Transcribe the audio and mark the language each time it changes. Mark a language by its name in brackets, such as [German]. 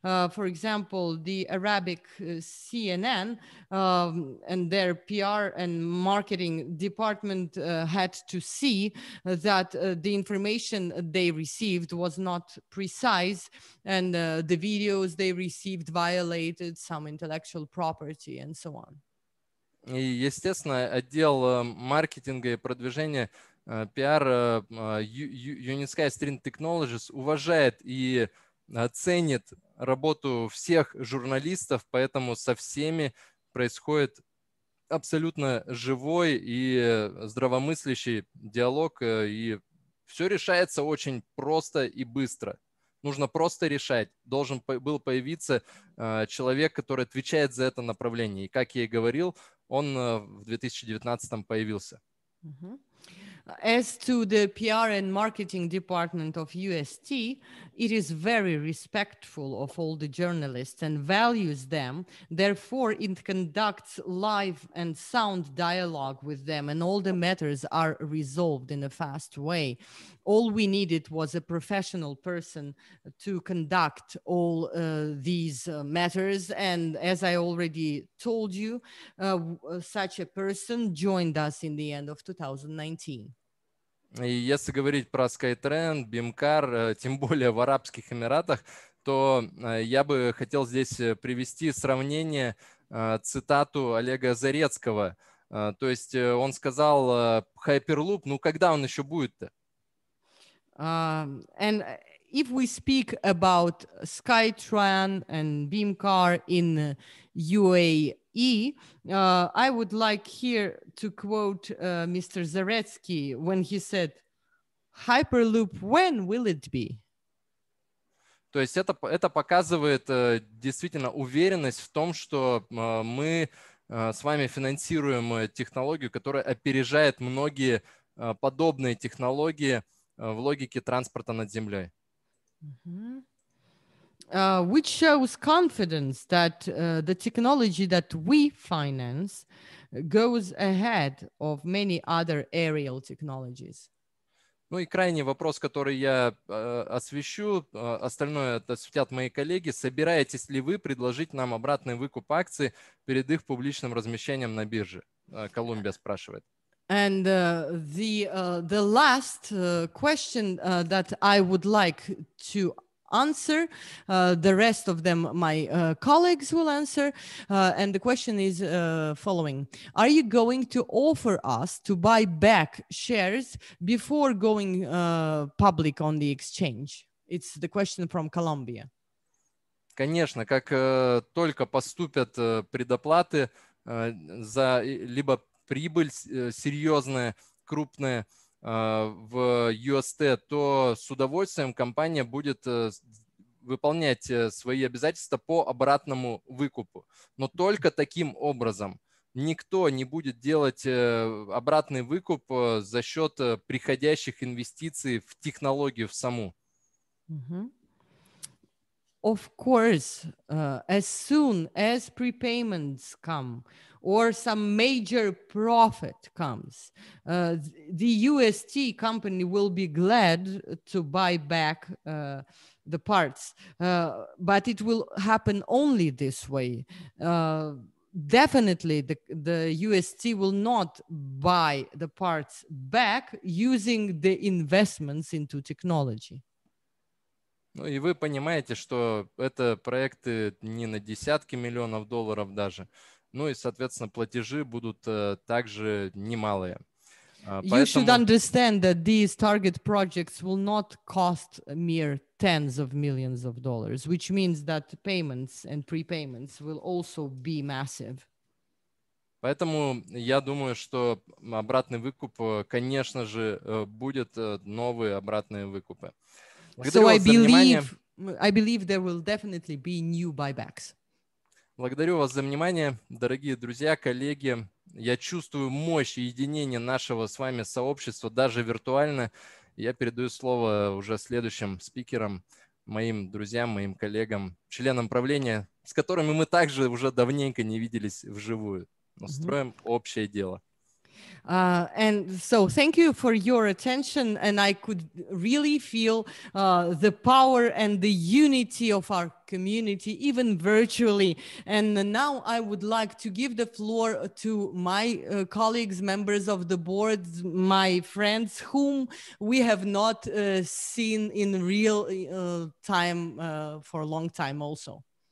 [English] For example, the Arabic CNN and their PR and marketing department had to see that the information they received was not precise, and the videos they received violated some intellectual property and so on. [Russian] И, естественно, отдел маркетинга и продвижения PR Unisky Stream Technologies уважает и ценит работу всех журналистов, поэтому со всеми происходит абсолютно живой и здравомыслящий диалог, и все решается очень просто и быстро. Нужно просто решать. Должен был появиться человек, который отвечает за это направление. И, как я и говорил, он в 2019-м появился. [English] As to the PR and marketing department of UST, it is very respectful of all the journalists and values them. Therefore, it conducts live and sound dialogue with them, and all the matters are resolved in a fast way. All we needed was a professional person to conduct all these matters. And as I already told you, such a person joined us in the end of 2019. [Russian] И если говорить про SkyTrain, BIMCAR, тем более в Арабских Эмиратах, то я бы хотел здесь привести сравнение, цитату Олега Зарецкого. То есть он сказал Hyperloop, ну когда он еще будет-то? [English] And if we speak about SkyTrain and BIMCAR in UAE, I would like here to quote Mr. Zaretsky when he said, Hyperloop, when will it be? [Russian] То есть это показывает действительно уверенность в том, что мы с вами финансируем технологию, которая опережает многие подобные технологии в логике транспорта над землей. [English] Which shows confidence that the technology that we finance goes ahead of many other aerial technologies. [Russian] Ну и крайний вопрос, который я освещу, остальное осветят мои коллеги. Собираетесь ли вы предложить нам обратный выкуп акций перед их публичным размещением на бирже? Колумбия спрашивает. [English] And the last question that I would like to answer. The rest of them, my colleagues will answer. And the question is following. Are you going to offer us to buy back shares before going public on the exchange? It's the question from Colombia. [Russian] Конечно, как только поступят предоплаты за либо прибыль серьезная, крупная, в UST, то с удовольствием компания будет выполнять свои обязательства по обратному выкупу. Но только таким образом. Никто не будет делать обратный выкуп за счет приходящих инвестиций в технологию в саму. [English] Of course, as soon as prepayments come or some major profit comes, the UST company will be glad to buy back the parts. But it will happen only this way. Definitely, the UST will not buy the parts back using the investments into technology. [Russian] Ну и вы понимаете, что это проекты не на десятки миллионов долларов даже. Ну и, соответственно, платежи будут также немалые. Поэтому... [English] You should understand that these target projects will not cost mere tens of millions of dollars, which means that payments and prepayments will also be massive. [Russian] Поэтому я думаю, что обратный выкуп, конечно же, будет новые обратные выкупы. Благодарю вас за внимание. [English] I believe there will definitely be new buybacks. [Russian] Благодарю вас за внимание, дорогие друзья, коллеги. Я чувствую мощь единения нашего с вами сообщества, даже виртуально. Я передаю слово уже следующим спикерам, моим друзьям, моим коллегам, членам правления, с которыми мы также уже давненько не виделись вживую. Но строим общее дело. [English] And so thank you for your attention, and I could really feel the power and the unity of our community, even virtually. And now I would like to give the floor to my colleagues, members of the board, my friends, whom we have not seen in real time for a long time also.